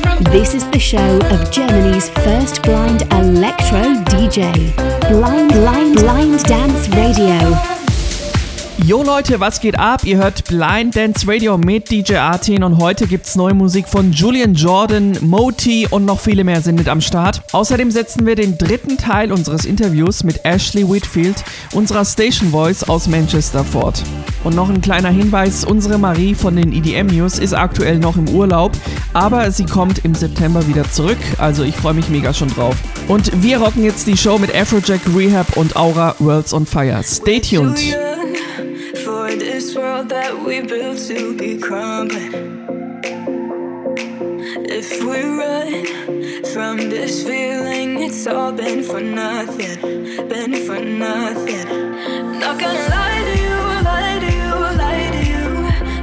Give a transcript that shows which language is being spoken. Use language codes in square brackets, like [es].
[en] This is the show of Germany's first blind electro DJ. Blind Dance Radio. [de] Yo Leute, was geht ab? Ihr hört Blind Dance Radio mit DJ Artin und heute gibt's neue Musik von Julian Jordan, Moti und noch viele mehr sind mit am Start. Außerdem setzen wir den dritten Teil unseres Interviews mit Ashley Whitfield, unserer Station Voice aus Manchester, fort. Und noch ein kleiner Hinweis, unsere Marie von den EDM News ist aktuell noch im Urlaub, aber sie kommt im September wieder zurück, also ich freue mich mega schon drauf. Und wir rocken jetzt die Show mit Afrojack, Rehab und Aura, Worlds on Fire. [en] Stay tuned! This world that we built to be crumbling. If we run from this feeling, it's all been for nothing, been for nothing. Not gonna lie to you, lie to you, lie to you.